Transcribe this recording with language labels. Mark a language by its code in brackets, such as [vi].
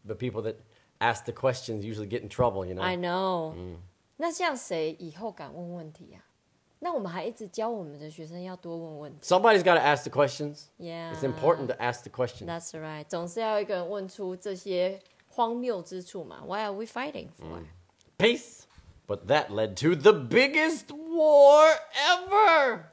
[en] The people that ask the questions usually get in trouble, you know? I know.、 [zh] 那像谁以后敢问问题啊？那我们还一直教我们的学生要多问问题。 [en] Somebody's got to ask the questions. Yeah. It's important to ask the questions. That's right. [zh] 总是要一个人问出这些荒谬之处嘛。 [en] Why are we fighting for? Peace. But that led to the biggest war ever.